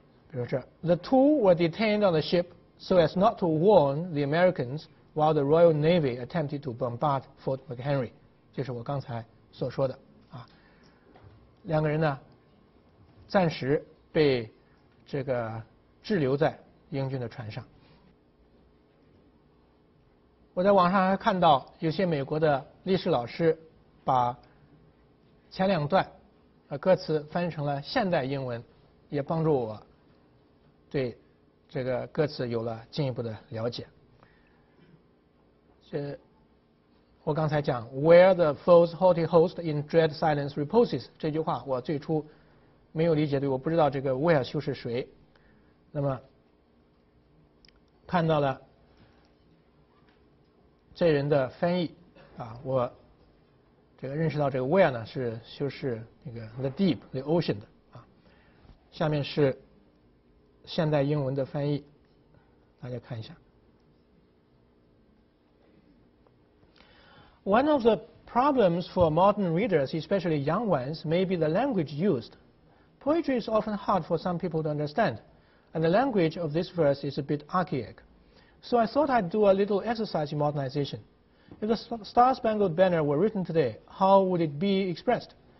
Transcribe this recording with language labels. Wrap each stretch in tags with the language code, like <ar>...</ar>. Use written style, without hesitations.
<zh>比如说</zh> <en>，The two were detained on the ship so as not to warn the Americans while the Royal Navy attempted to bombard Fort McHenry，</en> <zh>就是我刚才所说的啊。两个人呢，暂时被这个滞留在英军的船上。我在网上还看到有些美国的历史老师把前两段歌词翻成了现代英文，也帮助我对这个歌词有了进一步的了解。这我刚才讲</zh> <en>Where the foe's haughty host in dread silence reposes</en> <zh>这句话我最初没有理解，对我不知道这个 where 修是谁。那么看到了这人的翻译啊，我这个认识到这个 where 呢是修饰那个</zh> <en>the deep the ocean</en> <zh>的啊。下面是现代英文的翻译，大家看一下。</zh> <en>One of the problems for modern readers, especially young ones, may be the language used. Poetry is often hard for some people to understand, and the language of this verse is a bit archaic. So I thought I'd do a little exercise in modernization. If the Star-Spangled Banner were written today, how would it be expressed?</en>